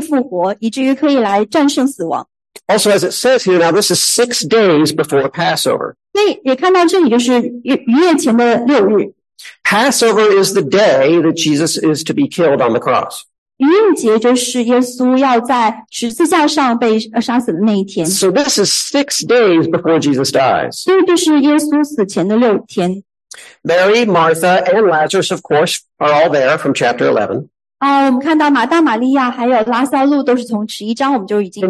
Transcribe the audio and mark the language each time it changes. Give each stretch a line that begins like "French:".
Chinese: 所以他来到耶路撒冷的目的就是他可以在那里被杀死，在那里可以复活，以至于可以来战胜死亡。
English: Also, as it says here, now this is 6 days before Passover.
Chinese: 所以也看到这里就是逾越前的六日。
English: Passover is the day that Jesus is to be killed on the cross.
Chinese: 逾越节就是耶稣要在十字架上被杀死的那一天。
English: So this is 6 days before Jesus dies.
Chinese: 所以就是耶稣死前的六天。
English: Mary, Martha, and Lazarus, of course, are all there from chapter 11.
Chinese: 我们看到马大、玛利亚还有拉撒路都是从11章我们就已经。